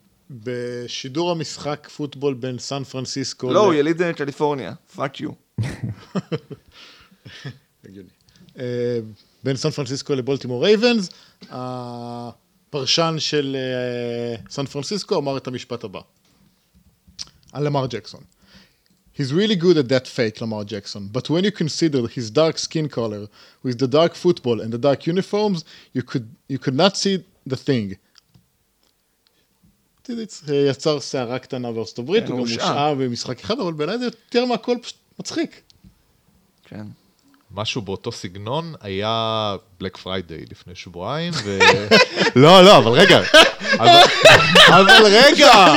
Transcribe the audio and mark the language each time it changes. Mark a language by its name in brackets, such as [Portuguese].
[Hebrew] בשידור המשחק פוטבול בין סן פרנסיסקו... לא, הוא יליד קליפורניה. פאק יו. הגיוני. בין סן פרנסיסקו לבולטימור רייבנס, הפרשן של סן פרנסיסקו אמר את המשפט הבא. על למר ג'קסון. [English] He's really good at that fake, למר ג'קסון. But when you consider his dark skin color with the dark football and the dark uniforms, you could not see the thing. [Hebrew] יצר שערה קטנה בארצות הברית, הוא גם מושעה במשחק אחד, אבל בעיניי זה יותר מהכל פשוט מצחיק. כן. משהו באותו סגנון היה בלק פריידי לפני שבועיים, ו... לא, לא, אבל רגע. אבל רגע.